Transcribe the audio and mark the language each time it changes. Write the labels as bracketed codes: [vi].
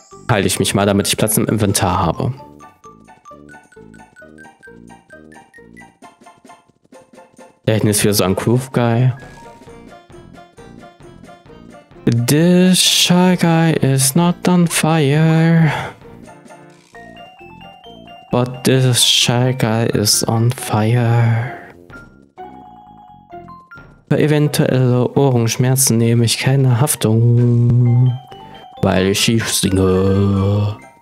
[de] halte ich mich mal, damit ich Platz im Inventar habe. Da hinten ist wieder so ein Groove Guy. [en] This shy guy is not on fire. But this shy guy is on fire. [de] Für eventuelle Ohrenschmerzen nehme ich keine Haftung. Weil ich schief singe.